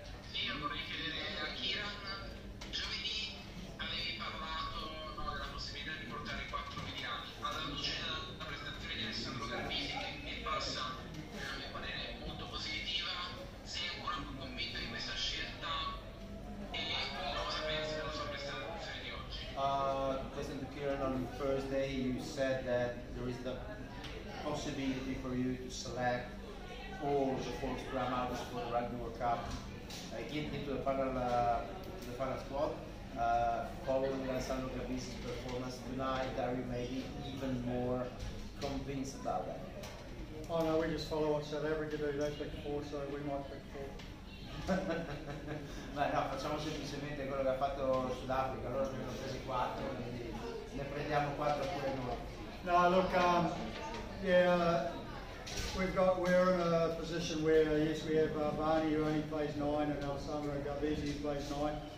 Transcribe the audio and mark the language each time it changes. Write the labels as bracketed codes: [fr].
[it] Sì, io vorrei chiedere a Kieran, giovedì avevi parlato della possibilità di portare 4 mediani, alla luce della presentazione di Alessandro Garbisi, che mi passa, a mio parere, molto positiva, sei ancora più convinto di questa scelta e cosa pensi della sua presentazione di oggi? [en] Listen to Kieran, on Thursday you said that there is the possibility for you to select all the four scrum hours for the Rugby World Cup, get into the final squad, following Alessandro Gavisi's performance tonight, are you maybe even more convinced about that? Oh no, we just follow what South Africa do, they pick four, so we might pick four. [it] No, facciamo semplicemente quello che ha fatto Sudafrica, allora ne abbiamo presi quattro, quindi ne prendiamo quattro pure noi. [en] No, look, We're in a position where, yes, we have Barney, who only plays nine, and Alessandro Garbisi, who plays nine.